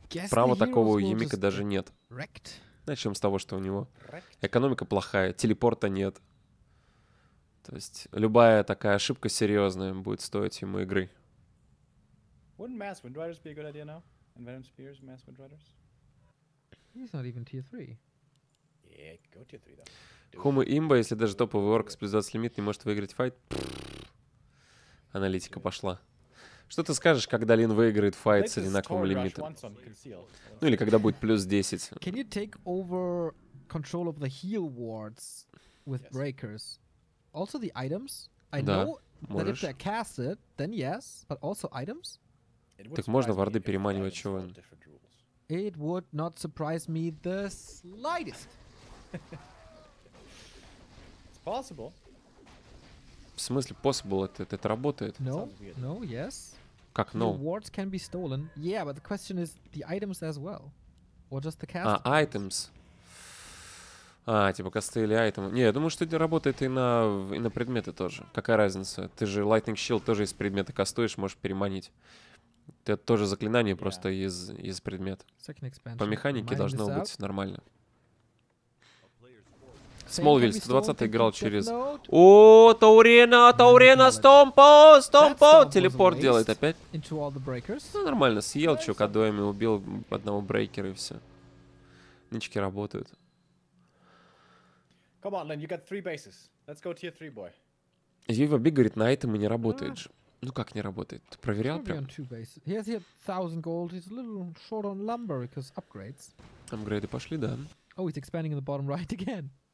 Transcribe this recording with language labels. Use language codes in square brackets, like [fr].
[ru] Права такого у Юмика даже нет. Начнем с того, что у него экономика плохая, телепорта нет. То есть любая такая ошибка серьезная будет стоить ему игры. [en] Wouldn't Mass Windriders be a good idea now? And Venom Spears, Mass Windriders? He's not even tier 3. [ru] Хума имба, если даже топовый орк с плюс 20 лимит не может выиграть файт. Аналитика пошла. Что ты скажешь, когда Лин выиграет файт с одинаковым лимитом? Ну или когда будет плюс 10. [en] Can you take over control of the heal wards with breakers? Also the items? I know [ru] можешь. [en] That if they cast it, then yes, but also items? [ru] Так можно варды переманивать, чего? [en] It would not surprise me the slightest. It's possible. [ru] В смысле, [en] possible? [ru] Это работает? [en] No, no, yes. [ru] Как [en] no? The wards can be stolen. Yeah, but the question is the items as well. Or just the cast? [ru] А, items. А, типа косты или айтемы. Не, я думаю, что это работает и на предметы тоже. Какая разница? Ты же Lightning Shield тоже из предмета кастуешь, можешь переманить. Это тоже заклинание просто из предмета. По механике должно быть нормально. Смолвиль, 120 играл через... О, Таурена! Таурена! Стомпо! Стомпо! Телепорт делает опять. Ну, нормально. Съел чувака дуэми, убил одного брейкера и все. Нички работают. [en] Come on, Lin, you got three bases. Let's go to your three, boy. [ru] Зива Би говорит, на этом и не работает же. Ну как не работает? Ты проверял прям? [en] He has hit 1000 gold. He's a little short on lumber because upgrades. [ru] Апгрейды пошли, да. [en] Oh, he's expanding in the bottom right again.